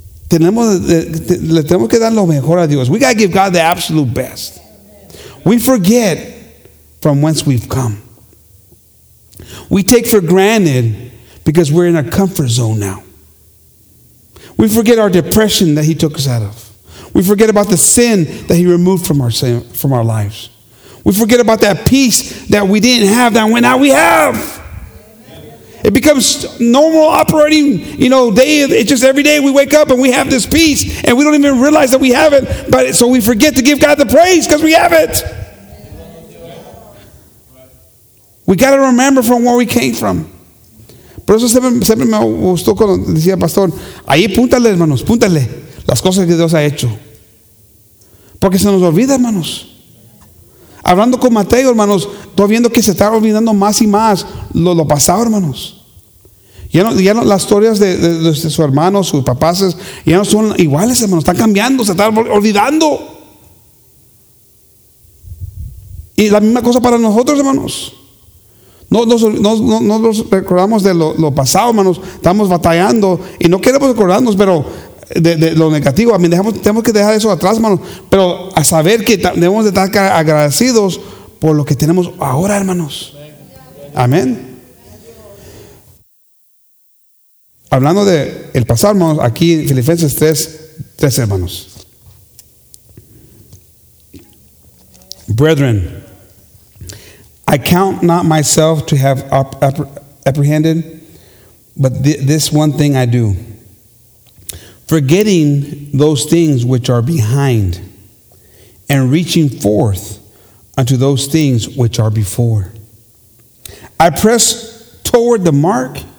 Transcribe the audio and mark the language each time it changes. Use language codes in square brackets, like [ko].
[es] Le tenemos que dar lo mejor a Dios. [en] We got to give God the absolute best. We forget from whence we've come. We take for granted because we're in a comfort zone now. We forget our depression that he took us out of. We forget about the sin that he removed from our lives. We forget about that peace that we didn't have that went out we have. It becomes normal operating, you know, day. It's just every day we wake up and we have this peace and we don't even realize that we have it. But so we forget to give God the praise because we have it. We got to remember from where we came from. [es] Por eso siempre me gustó cuando decía pastor, ahí púntale, hermanos, púntale las cosas que Dios ha hecho. Porque se nos olvida, hermanos. Hablando con Mateo, hermanos, estoy viendo que se está olvidando más y más lo pasado, hermanos. Ya no, las historias de su hermano, sus papás, ya no son iguales, hermanos. Están cambiando, se están olvidando. Y la misma cosa para nosotros, hermanos. No nos recordamos de lo pasado, hermanos. Estamos batallando y no queremos recordarnos, pero de lo negativo, [en] I mean, [es] tenemos que dejar eso atrás, hermanos, pero a saber que debemos de estar agradecidos por lo que tenemos ahora, hermanos. Amén. Hablando de el pasado, hermanos, aquí en Filipenses 3:3, hermanos. [en] Brethren, I count not myself to have apprehended, but this one thing I do. Forgetting those things which are behind and reaching forth unto those things which are before. I press toward the mark